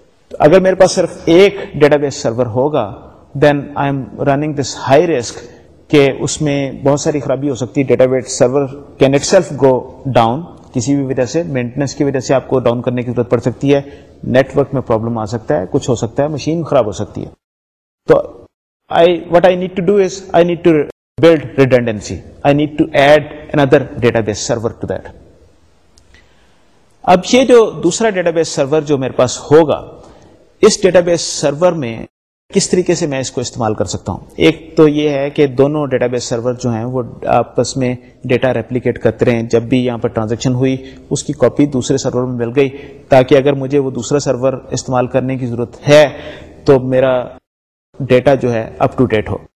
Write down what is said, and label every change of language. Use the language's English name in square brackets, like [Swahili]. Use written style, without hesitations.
[Urdu] تو اگر میرے پاس صرف ایک ڈیٹا بیس سرور ہوگا [English] then I am running this high risk [Urdu] کہ اس میں بہت ساری خرابی ہو سکتی ہے. [English] database server can itself go down [Urdu] کسی بھی وجہ سے, مینٹیننس کی وجہ سے آپ کو ڈاؤن کرنے کی ضرورت پڑ سکتی ہے, نیٹ ورک میں پرابلم آ سکتا ہے, کچھ ہو سکتا ہے, مشین خراب ہو سکتی ہے. [English] تو what I need to do is build redundancy. I need to add another database server to that. [Urdu] اب یہ جو دوسرا ڈیٹا بیس سرور جو میرے پاس ہوگا, اس ڈیٹا بیس سرور میں کس طریقے سے میں اس کو استعمال کر سکتا ہوں؟ ایک تو یہ ہے کہ دونوں ڈیٹا بیس سرور جو ہیں وہ آپس میں ڈیٹا ریپلیکیٹ کرتے رہیں, جب بھی یہاں پر ٹرانزیکشن ہوئی اس کی کاپی دوسرے سرور میں مل گئی, تاکہ اگر مجھے وہ دوسرا سرور استعمال کرنے کی ضرورت ہے تو میرا ڈیٹا جو ہے اپ ٹو ڈیٹ ہو.